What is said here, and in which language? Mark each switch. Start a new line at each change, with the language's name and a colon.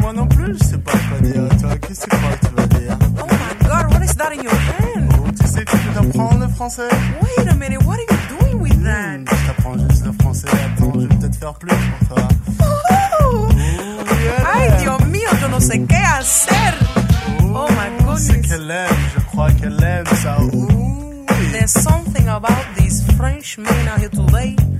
French: Moi non plus, je sais pas quoi dire. Toi, qu'est-ce que tu crois que tu vas dire?
English: Oh my God, what is that in your hand?
French: Oh, tu sais que tu peux t'apprendre le français?
English: Wait a minute, what are you doing with that?
French: Je t'apprends juste le français. Attends, je vais peut-être faire plus pour toi.
Spanish: Ay, Dios mío, yo no sé qué hacer. Ooh,
English: oh, my goodness.
French: C'est qu'elle aime, je crois qu'elle aime ça. Ooh.
English: There's something about these French men out here today.